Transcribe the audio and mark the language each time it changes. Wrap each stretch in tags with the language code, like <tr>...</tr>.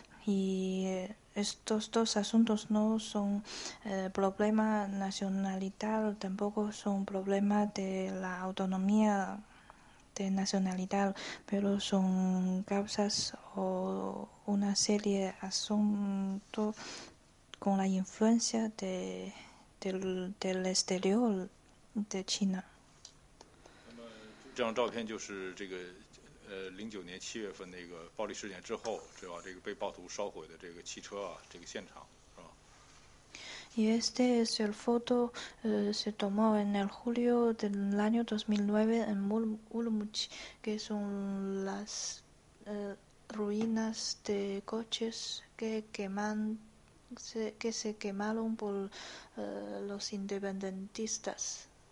<es>Y estos dos asuntos no son problema nacionalidad, tampoco son problema de la autonomía de nacionalidad, pero son causas o una serie de asuntos con la influencia del exterior de China.</es> <zh>这张照片就是这个09年7月份那个暴力事件之后，这个被暴徒烧毁的这个汽车啊，这个现场是吧？</zh> <es>Y este es el foto se tomó en el julio del año 2009 en Urumqi, que son las ruinas de coches que se quemaron por los independentistas.</es>